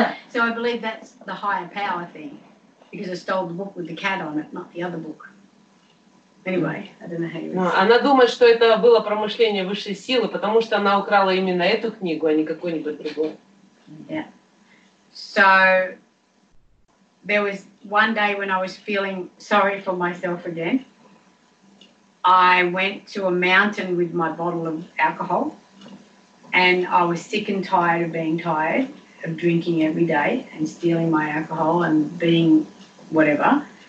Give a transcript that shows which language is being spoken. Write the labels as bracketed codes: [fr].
[en] So I believe that's the higher power thing. Because I stole the book with the cat on it, not the other book. Anyway, I don't know how you would say. [ru] Она думает, что это было промышление высшей силы, потому что она украла именно эту книгу, а не какую-нибудь другую. [en] Yeah. So there was one day when I was feeling sorry for myself again. I went to a mountain with my bottle of alcohol, and I was sick and tired of being tired, of drinking every day and stealing my alcohol and being whatever.